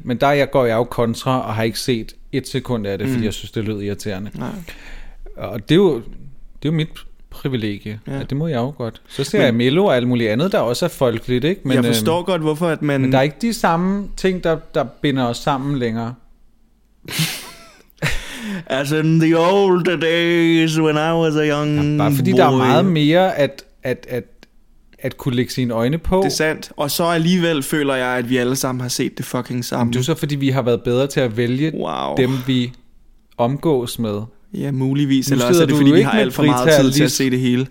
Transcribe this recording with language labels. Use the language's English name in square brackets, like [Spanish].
[Danish] Men der jeg går jeg jo kontra, og har ikke set et sekund af det, fordi jeg synes, det lød irriterende. Nej. Og det er jo mit privilegie. Ja. Ja, det må jeg jo godt. Så ser jeg Mello og alt muligt andet, der også er folkeligt, ikke? Men, jeg forstår godt, hvorfor at man... Men der er ikke de samme ting, der binder os sammen længere. [English] As in the old days, when I was a young boy. [Danish] Bare fordi [English] boy. [Danish] Der er meget mere at kunne lægge sine øjne på. Det er sandt. Og så alligevel føler jeg, at vi alle sammen har set det fucking samme. Det er så, fordi vi har været bedre til at vælge dem, vi omgås med. Ja, muligvis. Eller også er det, fordi vi har alt for meget tid til at se det hele.